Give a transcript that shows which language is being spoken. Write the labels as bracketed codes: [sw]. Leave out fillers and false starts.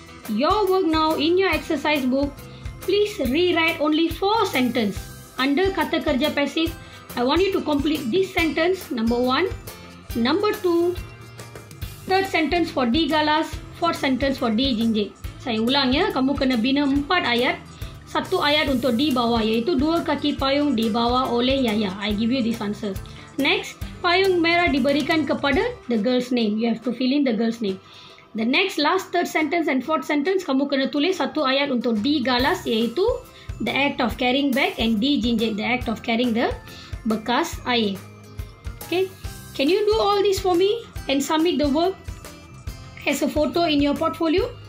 [en] Your work now in your exercise book, please rewrite only four sentences under kata kerja passive. I want you to complete this sentence, number one, number two, third sentence for digalas, fourth sentence for dijinjit. [ms] Saya ulang ya, kamu kena bina empat ayat, satu ayat untuk dibawa, yaitu dua kaki payung dibawa oleh Yahya. [en] I give you this answer. Next, [ms] payung merah diberikan kepada [en] the girl's name. You have to fill in the girl's name. The next, last third sentence and fourth sentence, [ms] kamu kena tulis satu ayat untuk digalas, yaitu [en] the act of carrying bag, and dijinjit, the act of carrying the [ms] bekas air. [en] Okay, can you do all this for me and submit the work as a photo in your portfolio?